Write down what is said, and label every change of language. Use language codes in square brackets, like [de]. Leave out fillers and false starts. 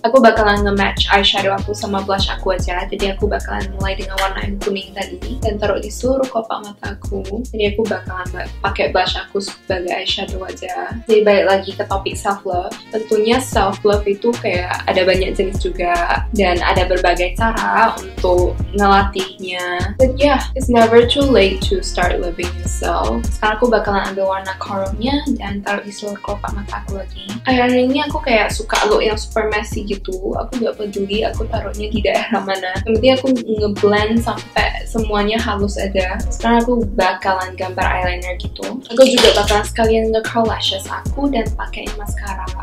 [id] Aku bakalan nge-match eyeshadow aku sama blush aku aja. Jadi aku bakalan mulai dengan warna yang kuning tadi dan taruh di seluruh kotak mata aku. Jadi aku bakalan pakai blush aku sebagai eyeshadow aja. Jadi balik lagi ke topik self-love. Tentunya self-love itu kayak ada banyak jenis juga, dan ada berbagai cara untuk ngelatihnya. [en] But yeah, it's never too late to start loving yourself. [id] Sekarang aku bakalan ambil warna coralnya dan taruh di seluruh kotak mata aku lagi. Akhirnya ini aku kayak suka look yang super messy gitu. Aku gak peduli aku taruhnya di daerah mana. Yang penting aku ngeblend sampai semuanya halus aja. Sekarang aku bakalan gambar eyeliner gitu. Aku juga bakalan sekalian nge-curl lashes aku dan pakai mascara.